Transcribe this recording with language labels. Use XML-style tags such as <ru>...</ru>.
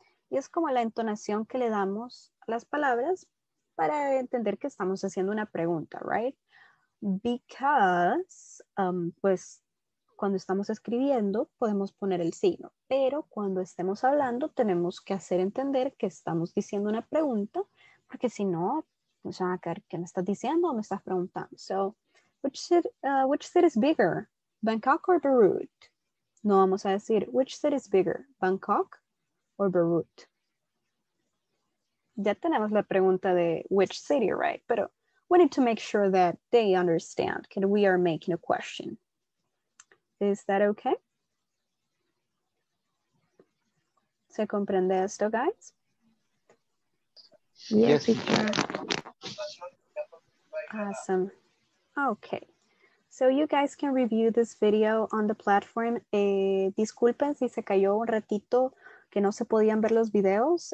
<es>Y es como la entonación que le damos a las palabras para entender que estamos haciendo una pregunta, right? Because, pues, cuando estamos escribiendo, podemos poner el signo. Pero cuando estemos hablando, tenemos que hacer entender que estamos diciendo una pregunta, porque si no, nos van a quedar, ¿qué me estás diciendo o me estás preguntando?</es> <en>So, which city is bigger, Bangkok or Beirut?</en> <es>No vamos a decir,</es> <en>which city is bigger, Bangkok or Beirut?</en> <es>Ya tenemos la pregunta de</es> <en>which city, right?</en> <es>Pero</es> <en>we need to make sure that they understand that we are making a question. Is that okay?</en> <es>¿Se comprende esto, guys?</es> <en>Yes. Awesome. Okay. So you guys can review this video on the platform.</en> <es>Disculpen si se cayó un ratito que no se podían ver los videos.</es>